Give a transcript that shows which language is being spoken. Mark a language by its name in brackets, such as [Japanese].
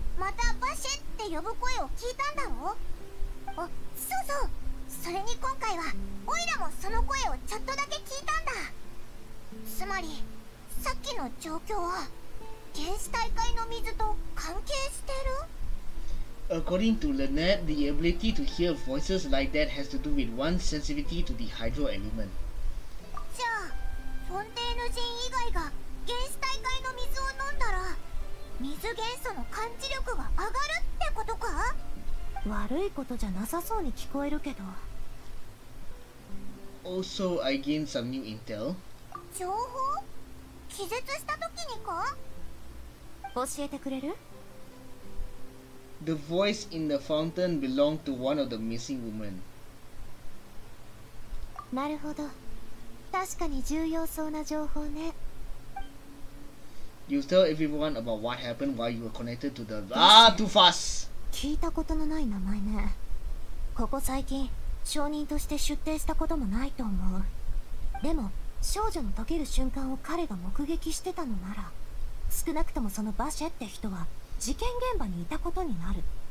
[Japanese] またバシェって呼ぶ声を聞いたんだろ。あ、そうそう、それに今回はオイラもその声をちょっとだけ聞いたんだ。つまりさっきの状況は原始大海の水と関係してる。 [English] According to Lynette, the ability to hear voices like that has to do with one's sensitivity to the hydro element. [Japanese] じゃあフォンテーヌ人以外が原始大海の水を飲んだら水元素の感知力が上がるってことか。悪いことじゃなさそうに聞こえるけど。 [English] Also, I gained some new intel. [Japanese] 情報？気絶した時にか？教えてくれる？ [English] The voice in the fountain belonged to one of the missing women. [Japanese] なるほど。確かに重要そうな情報ね。 [English] You tell everyone about what happened while you were connected to the... Ah, too fast! [Japanese] 聞いたことのない名前ね。ここ最近、証人として出廷したこともないと思う。でも、少女の溶ける瞬間を彼が目撃してたのなら、少なくともそのバシェって人は事件現場にいたことになる。